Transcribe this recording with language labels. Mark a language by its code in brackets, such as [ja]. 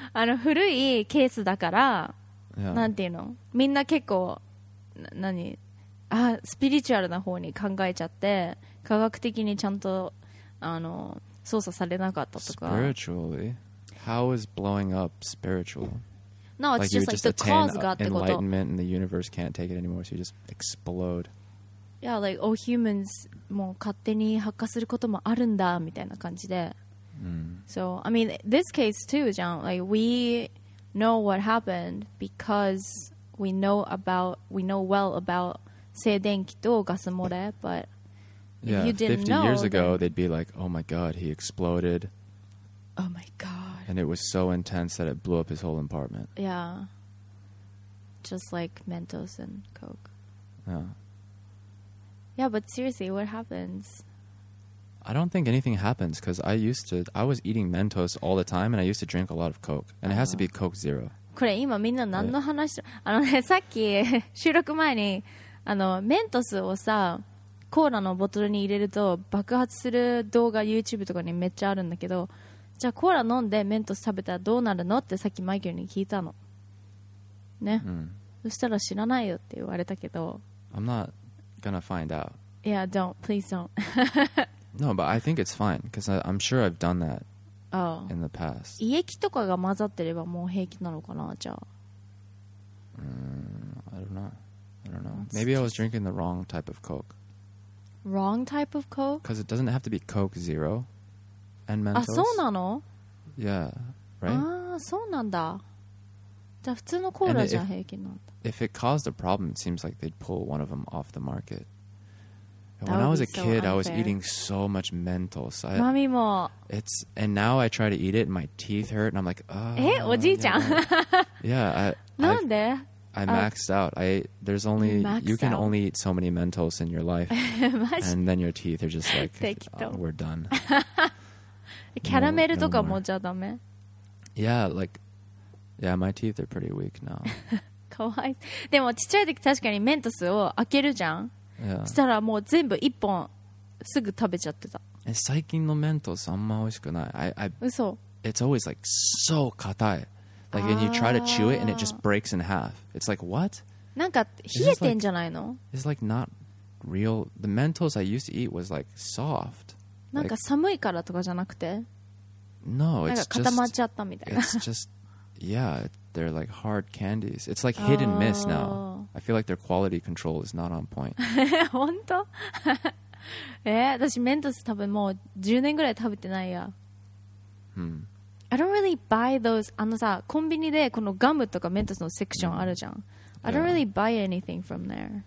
[ja] あの、古いケースだから、 [en] yeah. [ja] なんていうのみんな結構、何あ、スピリチュアルな方に考えちゃって、科学的にちゃんとあの操作されなかったとか [en] Spiritually? How is blowing up spiritual? No, it's like just like the cause got [ja] ってこと [en] Enlightenment and the universe can't take it anymore so you just explode Yeah, like all humans [ja] もう勝手に発火することもあるんだみたいな感じで、 [en] mm. So, I mean, this case too, John Like, we know what happened because we know well about [ja] 静電気とガス漏れ [en] but Yeah, 50 years ago, they'd be like, oh my god, he exploded. Oh my god. And it was so intense that it blew up his whole apartment. Yeah. Just like Mentos and Coke. Yeah. Yeah, but seriously, what happens? I don't think anything happens because I was eating Mentos all the time and I used to drink a lot of Coke. And it has to be Coke Zero. [ja] これ今みんな何の話、 [en] right. [ja] あのね、さっき収録前にあのメントスをさコーラのボトルに入れると爆発する動画 YouTube とかにめっちゃあるんだけど、じゃあコーラ飲んでメントス食べたらどうなるのってさっきマイケルに聞いたのね、 [en] mm. [ja] そしたら知らないよって言われたけど、 [en] I'm not gonna find out. Yeah, don't. Please don't. No, but I think it's fine because I'm sure I've done that、 oh. in the past. [ja] 胃液とかが混ざってればもう平気なのかな、じゃあ、 [en] mm, I don't know. I don't know. Maybe I was drinking the wrong type of Coke. Wrong type of Coke? Because it doesn't have to be Coke Zero and Mentos. [ja] あ、そうなの? [en] Yeah, right? [ja] あ、そうなんだ。じゃあ普通のコーラじゃ平気なんだ。 [en] If it caused a problem, it seems like they'd pull one of them off the market. When I was a kid, I was eating so much Mentos. [ja] マミも。 [en] It's, and now I try to eat it and my teeth hurt and I'm like, oh. [ja] え、おじいちゃん? [en] Yeah, I... [ja] なんで? [en] I maxed out. You can only eat so many Mentos in your life. And then your teeth are just like, we're done. [ja] キャラメルとかもじゃダメ? [en] Yeah, my teeth are pretty weak now. [ja] かわいい。でもちっちゃい時確かにメントスを開けるじゃん。 [en] Yeah. [ja] したらもう全部一本すぐ食べちゃってた。最近のメントスあんま美味しくない。嘘。 [en] It's always like so [ja] 硬い。 [en] Like when you try to chew it and it just breaks in half. It's like what? [ja] なんか冷えてんじゃないの? [en] It's like not real. The Mentos I used to eat was like soft. [ja] なんか寒いからとかじゃなくて? [en] No, it's just... [ja] なんか固まっちゃったみたいな。 [en] It's just... Yeah, they're like hard candies. It's like hit and miss now. I feel like their quality control is not on point. [ja] 本当?私 Mentos 多分もう10年ぐらい食べてないや。 [en] I don't really buy those. [ja] あのさ、コンビニでこのガムとかメントスのセクションあるじゃん。 [en] Yeah. I don't really buy anything from there.